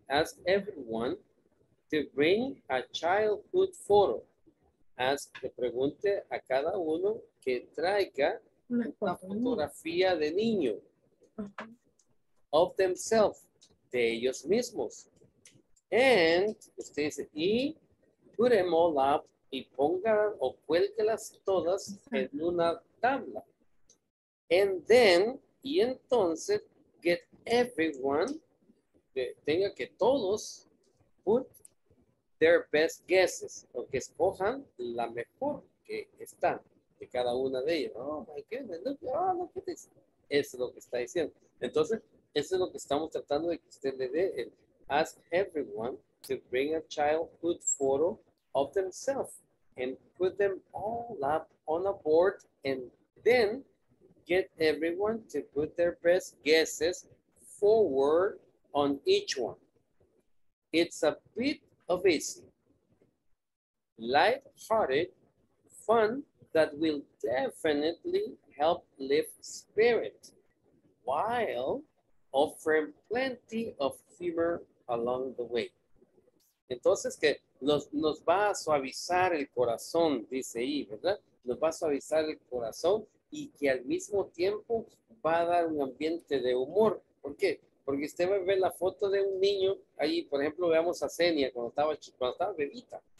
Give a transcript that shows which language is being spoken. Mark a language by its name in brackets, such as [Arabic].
[English] Ask everyone to bring a childhood photo. [Spanish] Pregunte a cada uno que traiga una fotografía de niño. Uh-huh. [English] Of themselves, [Spanish] de ellos mismos. [English] And, [Spanish] usted dice, y [English] put them all up. [Spanish] Y ponga o cuélguelas todas en una tabla. [English] And then, [Spanish] y entonces, [English] get everyone, [Spanish] tenga que todos put [English] their best guesses, [Spanish] o que escojan la mejor que está de cada una de ellas. [English] Oh my goodness, look, oh, look at this. [Spanish] Eso es lo que está diciendo. Entonces, eso es lo que estamos tratando de que usted le dé. [English] El, ask everyone to bring a childhood photo of themselves and put them all up on a board and then get everyone to put their best guesses forward on each one. It's a bit of easy, light-hearted fun that will definitely help lift spirit while offering plenty of humor along the way. [Spanish] Entonces, que nos va a suavizar el corazón, dice ahí, ¿verdad? Nos va a suavizar el corazón y que al mismo tiempo va a dar un ambiente de humor. ¿Por qué? Porque usted va a ver la foto de un niño, ahí, por ejemplo, veamos a Zenia cuando estaba bebita.